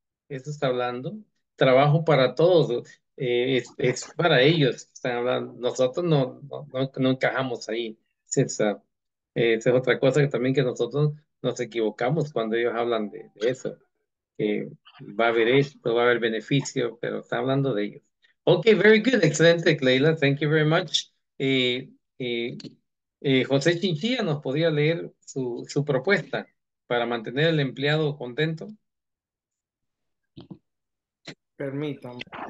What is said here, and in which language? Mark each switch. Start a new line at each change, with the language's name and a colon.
Spanish: Eso está hablando. Trabajo para todos. Es para ellos que están hablando. Nosotros no encajamos ahí. Esa es otra cosa que también que nosotros nos equivocamos cuando ellos hablan de eso. Va a haber esto, va a haber beneficio, pero está hablando de ellos.
English: Ok, very good, excelente, Leila, thank you very much.
Spanish: José Chinchilla, ¿nos podía leer su propuesta para mantener al empleado contento? Permítanme.